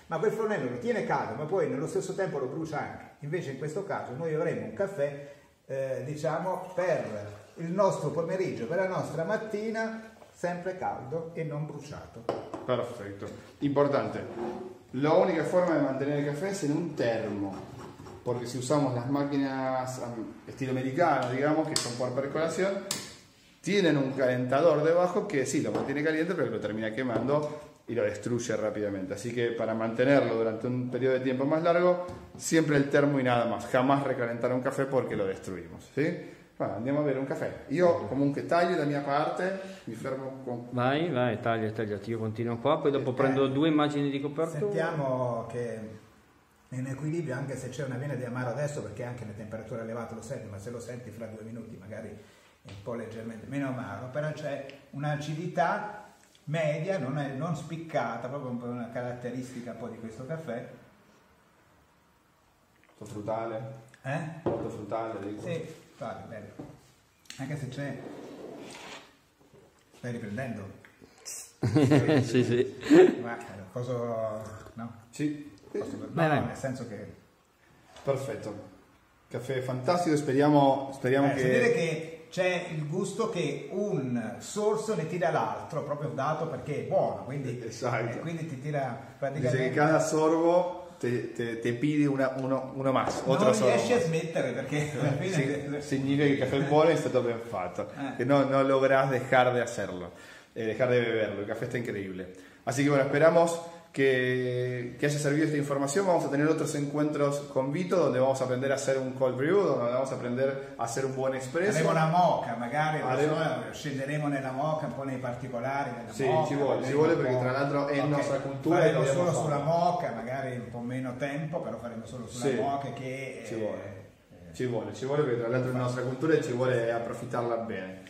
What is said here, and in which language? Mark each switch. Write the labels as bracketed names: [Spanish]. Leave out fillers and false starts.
[Italian] Ma quel fornello lo tiene caldo, ma poi nello stesso tempo lo brucia anche. Invece in questo caso noi avremo un caffè, diciamo, per il nostro pomeriggio, per la nostra mattina, sempre caldo e non bruciato. Perfetto. Importante. L'unica forma di mantenere il caffè è in un termo. [Spanish] Porque si usamos las máquinas estilo americano, digamos, que son por percolación, tienen un calentador debajo que sí, lo mantiene caliente, pero lo termina quemando y lo destruye rápidamente. Así que para mantenerlo durante un periodo de tiempo más largo, siempre el termo y nada más. Jamás recalentar un café porque lo destruimos, ¿sí? [Italian] Bueno, andiamo a bere un caffè. Io comunque taglio la mia parte, mi fermo con... Vai, taglia, io continuo qua, poi dopo prendo due immagini di coperto. Sentiamo che... in equilibrio, anche se c'è una vena di amaro adesso, perché anche le temperature elevate lo senti, ma se lo senti fra due minuti magari è un po' leggermente meno amaro, però c'è un'acidità media, non, è, non spiccata, proprio una caratteristica poi di questo caffè. Molto frutale? Eh? Molto frutale, dico. Sì, vale, bello. Anche se c'è... Stai riprendendo? Sì, sì. Ma cosa... no? Sì. Beh, no, nel senso che perfetto, caffè fantastico. Speriamo che... Si vede che c'è il gusto che un sorso ne tira l'altro, proprio dato perché è buono, quindi, esatto. Quindi ti tira praticamente. [Spanish] Dice che cada sorbo te pide uno más, [Italian] non [Spanish] otro sorbo. [Italian] Non riesci a smettere perché significa che il caffè buono è stato ben fatto, che non [Spanish] lográs dejar de hacerlo, dejar de beberlo. [Italian] Il caffè sta increíble. [Spanish] Así que bueno, esperamos. Que haya servido esta información. Vamos a tener otros encuentros con Vito, donde vamos a aprender a hacer un cold brew, donde vamos a aprender a hacer un buen espresso. [Italian] Haremo una moca, magari scenderemo nella moca, un po' nei particolari. Sì, ci vuole, ci vuole, perché tra l'altro è nostra cultura. Faremo solo sulla moca, magari un po' meno tempo, però faremo solo sulla moca. Che ci vuole, ci vuole, perché tra l'altro è nostra cultura e ci vuole approfittarla bene.